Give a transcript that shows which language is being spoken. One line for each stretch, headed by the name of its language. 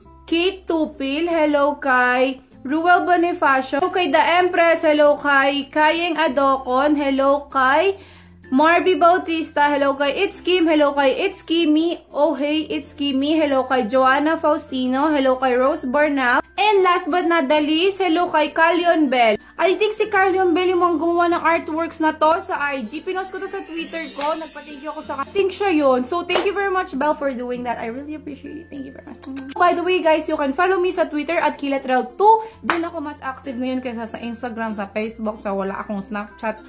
Filipino: Kate Tupil, hello kay Ruel Bonifacio, hello kay The Empress, hello kay Kayeng Adokon, hello kay Marby Bautista, hello kay It's Kim, hello kay It's Kimmy, oh hey It's Kimmy, hello kay Joanna Faustino, hello kay Rose Bernal,
English: and last but not the least,
Filipino: hello kay Carlion Bell.
English: I think
Filipino: si Carlion Bell yung mga gumawa ng artworks na to sa IG. Pinost ko to sa Twitter ko. Nagpatigyo ako sa kanya.
English: I think
Filipino: siya yun.
English: So, thank you very much, Bell, for doing that. I really appreciate it. Thank you very much. By the way, guys, you can follow me sa Twitter at Kiletrel2.
Filipino: Doon ako mas active ngayon kaysa sa Instagram, sa Facebook, sa wala akong Snapchat.